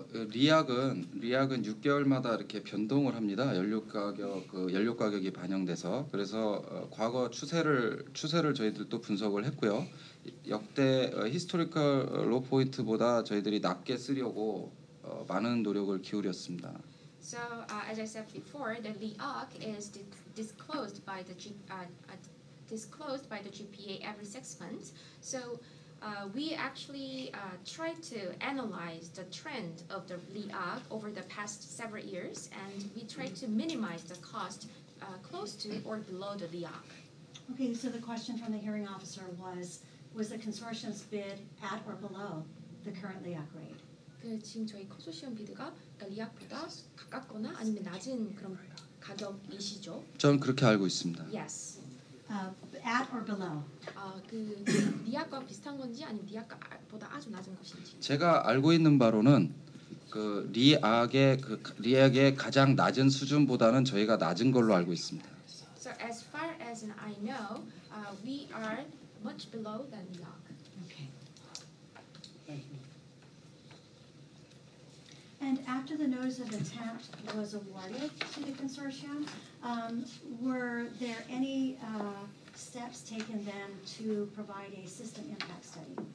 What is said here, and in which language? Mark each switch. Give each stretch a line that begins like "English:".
Korean: 리약은 6개월마다 이렇게 변동을 합니다. 연료 가격이 반영돼서. 그래서 과거 추세를 저희들도 분석을 했고요. 역대 히스토리컬 로 포인트보다 저희들이 낮게 쓰려고 많은 노력을 기울였습니다.
English: So as I said before, the Liac is disclosed by the GPA every 6 months. So we actually tried to analyze the trend of the Liac over the past several years, and we tried to minimize the cost close to or below the Liac. Okay, so the question from the hearing officer was the consortium's bid at or below the current Liac rate?
Korean: 그 지금 저희 컨소시엄 비드가 Liac보다 가깝거나 아니면 낮은 그런 가격이시죠? 저는 그렇게 알고 있습니다.
English: Yes. At or below.
Korean: 그 리아과 비슷한 건지 아니면 리아과보다 아주 낮은 것인지. 제가 알고 있는 바로는 그 리아의 가장 낮은 수준보다는 저희가 낮은 걸로 알고 있습니다.
English: So as far as I know, we are much below than Liac. Okay. Thank you. And after the notice of attempt was awarded to the consortium, were there any steps taken then to provide a system impact study?